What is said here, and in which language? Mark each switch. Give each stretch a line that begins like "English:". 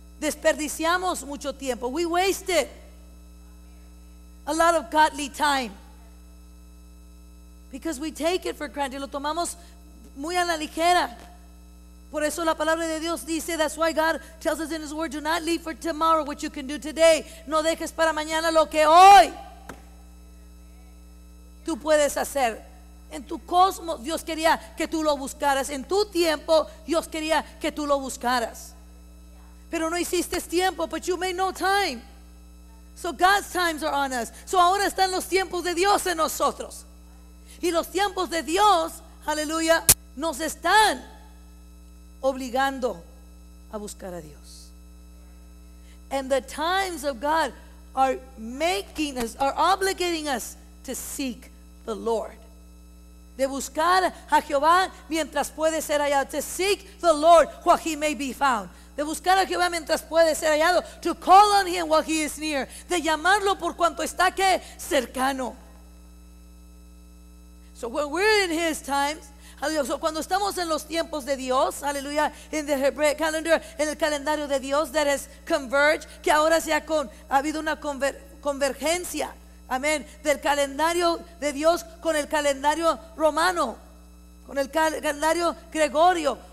Spanish: Desperdiciamos mucho tiempo.
English: We wasted a lot of godly time because we take it for granted.
Spanish: Lo tomamos muy a la ligera. Por eso la palabra de Dios dice,
English: that's why God tells us in his word, do not leave for tomorrow what you can do today.
Spanish: No dejes para mañana lo que hoy tú puedes hacer. En tu cosmos, Dios quería que tú lo buscaras. En tu tiempo, Dios quería que tú lo buscaras. Pero no hiciste tiempo,
English: but you made no time. So God's times are on us.
Spanish: So ahora están los tiempos de Dios en nosotros. Y los tiempos de Dios, aleluya, nos están obligando a buscar a Dios.
English: And the times of God are making us, are obligating us to seek the Lord.
Spanish: De buscar a Jehová mientras puede ser hallado.
English: To seek the Lord while he may be found.
Spanish: De buscar a Jehová mientras puede ser hallado.
English: To call on him while he is near.
Spanish: De llamarlo por cuanto está que cercano.
English: So when we're in his times,
Spanish: so cuando estamos en los tiempos de Dios, aleluya,
English: in the Hebraic calendar,
Spanish: en el calendario de Dios,
English: that has converged,
Spanish: que ahora se ha habido una convergencia, amén, del calendario de Dios con el calendario romano, con el calendario gregorio.